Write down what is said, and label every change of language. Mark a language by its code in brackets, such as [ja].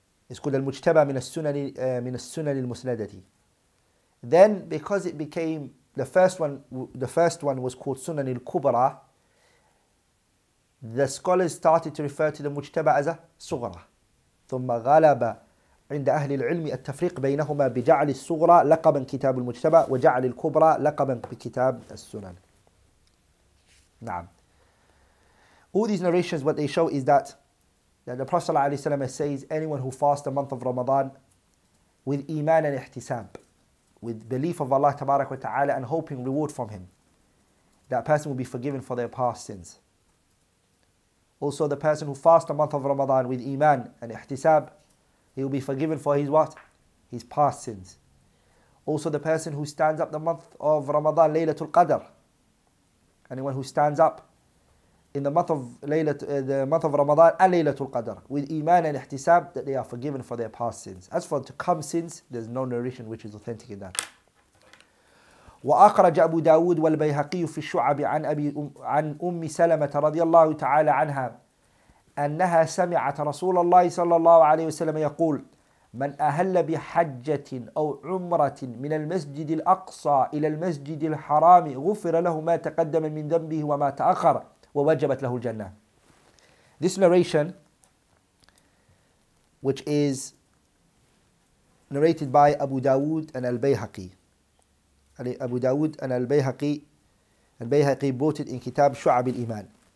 [en] It's called Al-Mujtaba min al-Sunan al-Musnadati. Then, because it became the first one was called Sunan al-Kubra, the scholars started to refer to the Mujtaba as a Sughra. [ar] ثم غلب عند أهل العلم التفريق بينهما بجعل الصغرى لقبا كتاب المجتبى وجعل الكبرى لقبا بكتاب السنن. نعم. [en] All these narrations, what they show is that the Prophet ﷺ says, anyone who fasts the month of Ramadan with iman and ihtisam, with belief of Allah tabarak wa ta'ala and hoping reward from him, that person will be forgiven for their past sins. Also, the person who fasts the month of Ramadan with iman and ihtisab, he will be forgiven for his what? His past sins. Also, the person who stands up the month of Ramadan, Laylatul Qadr. Anyone who stands up in the month of Ramadan and Laylatul Qadr with iman and ihtisab, that they are forgiven for their past sins. As for to come sins, there's no narration which is authentic in that. [ar] وأخرج أبو داود والبيهقي في الشعب عن أبي عن أم سلمة رضي الله تعالى عنها أنها سمعت رسول الله صلى الله عليه وسلم يقول من أهل بحجة أو عمرة من المسجد الأقصى إلى المسجد الحرام غفر له ما تقدم من ذنبه وما تأخر ووجبت له الجنة. [en] This narration, which is narrated by Abu Dawood and Al-Bayhaqi. Abu Dawood and Al-Bayhaqi. Al-Bayhaqi brought it in Kitab Shu'ab al-Iman.